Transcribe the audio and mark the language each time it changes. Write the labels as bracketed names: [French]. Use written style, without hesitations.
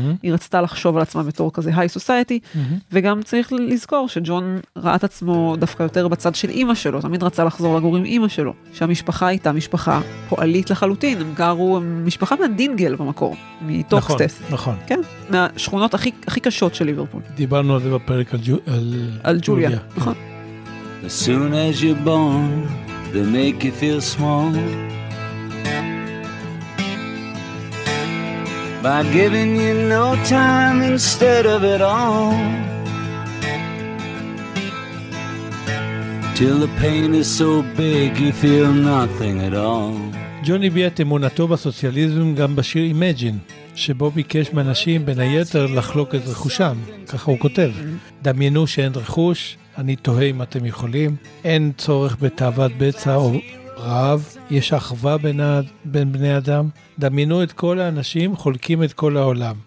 [Hebrew] היא רצתה לחשוב על עצמה בתור כזה high society, וגם צריך לזכור שג'ון ראה את עצמו דווקא יותר בצד של אמא שלו, תמיד רצה לחזור לגור עם אמא שלו, שהמשפחה הייתה משפחה פועלית לחלוטין. הם גרו, משפחה מהדינגל במקור, מטוקסטס. נכון. כן, מהשכונות הכי, הכי קשות של ליברפול. דיברנו על זה בפרק על ג'וליה. נכון. [English] As soon as you're born, they make you feel small. By giving you no time instead of it all. Till the pain is so big you feel nothing at all. [Hebrew] ג'וני הביע את אמונתו בסוציאליזם גם בשיר Imagine, שבו ביקש מאנשים בין היתר לחלוק את רכושם, ככה הוא כותב. דמיינו שאין רכוש, אני תוהה אם אתם יכולים, אין צורך בתאוות בצע או רעב, יש אחווה בין בני אדם, דמיינו את כל האנשים חולקים את כל העולם.